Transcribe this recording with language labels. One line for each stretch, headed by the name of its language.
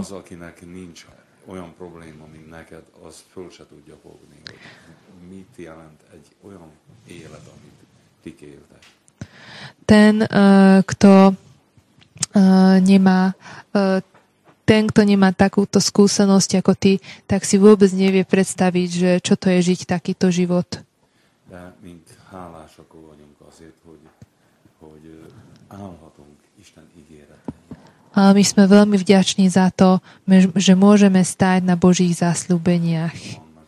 Hungarian: Az, akinek nincs olyan probléma, mint neked, az föl se tudja fogni, hogy mit jelent egy olyan élet, amit ti kérdez.
Slovak: Ten, kto nemá ten, kto nemá takúto skúsenosť ako ty, tak si vôbec nevie predstaviť, že čo to je žiť takýto život.
Hungarian: De mink hálások vagyunk azért, hogy állhatunk Isten ígéretei.
Slovak: Ale my sme veľmi vďační za to, že môžeme stáť na Božích zasľúbeniach.